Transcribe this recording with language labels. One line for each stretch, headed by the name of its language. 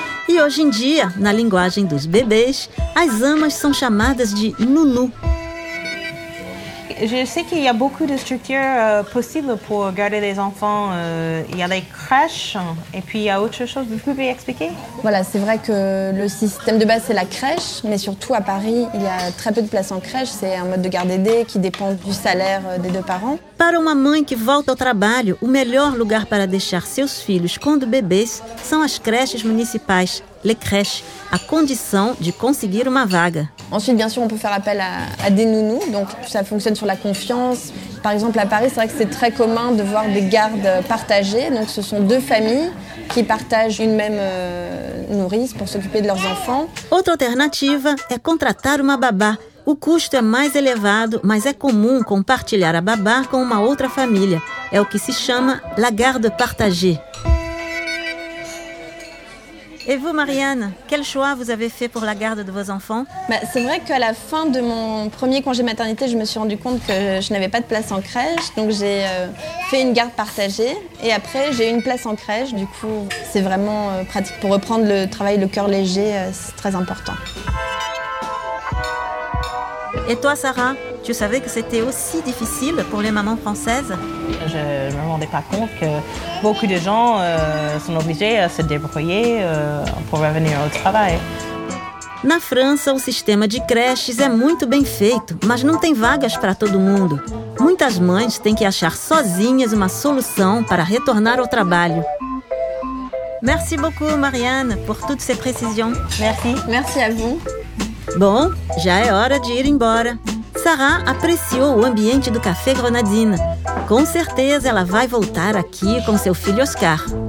Portuguese: E hoje em dia, na linguagem dos bebês, as amas são chamadas de nounou.
French: Je sais qu'il y a beaucoup de structures possibles pour garder les enfants. Il y a les crèches et puis il y a autre chose. Vous pouvez expliquer? Voilà, c'est vrai que le système de base, c'est la crèche. Mais surtout à Paris, il y a très peu de places en crèche. C'est un mode de garde aidée qui dépend du salaire des deux parents.
Portuguese: Para uma mãe que volta ao trabalho, o melhor lugar para deixar seus filhos quando bebês são as crèches municipais.
French: Les crèches, à condition de conseguir une vague. Ensuite, bien sûr, on peut faire appel à des nounous, donc ça fonctionne sur la confiance. Par exemple, à Paris, c'est vrai que c'est très commun de voir des gardes partagées, donc ce sont 2 familles qui partagent une même nourrice pour s'occuper de leurs enfants. Autre alternative est contratar une babá.
Portuguese: O custo é mais elevado, mas é comum compartilhar a babá com uma outra família. É o que se chama la garde partagée.
French: Et vous, Marianne, quel choix vous avez fait pour la garde de vos enfants? C'est vrai qu'à la fin de mon premier congé maternité, je me suis rendu compte que je n'avais pas de place en crèche. Donc j'ai fait une garde partagée et après j'ai eu une place en crèche. Du coup, c'est vraiment pratique pour reprendre le travail, le cœur léger, c'est très important. Et toi, Sarah, Tu savais que c'était aussi difficile pour les mamans françaises? Je ne me rendais pas compte que beaucoup de gens sont obligés à se débrouiller pour revenir au travail.
Portuguese: Na França, o sistema de creches é muito bem feito, mas não tem vagas para todo mundo. Muitas mães têm que achar sozinhas uma solução para retornar ao trabalho.
French: Merci beaucoup, Marianne, pour toutes ces précisions. Merci. Merci à vous.
Portuguese: Bon, já é hora de ir embora. Sarah apreciou o ambiente do Café Grenadine. Com certeza ela vai voltar aqui com seu filho Oscar.